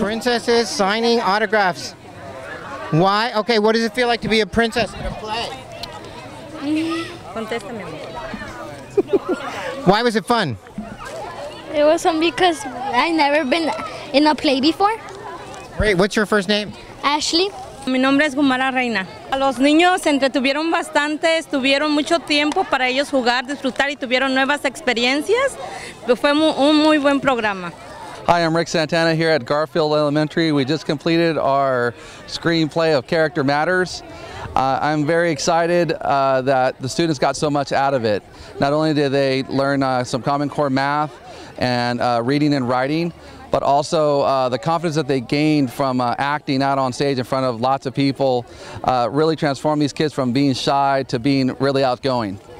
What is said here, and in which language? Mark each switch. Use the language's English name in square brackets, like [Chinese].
[English] Princesses signing autographs. Why? Okay, what does it feel like to be a princess in a play? [Spanish] Contéstame, amor. [English] Why was it fun? It was fun because I never been in a play before. Great. What's your first name? Ashley. [Spanish] Mi nombre es Gumara Reina. Los niños se entretuvieron bastante, estuvieron mucho tiempo para ellos jugar, disfrutar y tuvieron nuevas experiencias. Fue un muy buen programa. [English] Hi, I'm Rick Santana here at Garfield Elementary. We just completed our screenplay of Character Matters. I'm very excited that the students got so much out of it. Not only did they learn some Common Core math and reading and writing, but also the confidence that they gained from acting out on stage in front of lots of people really transformed these kids from being shy to being really outgoing.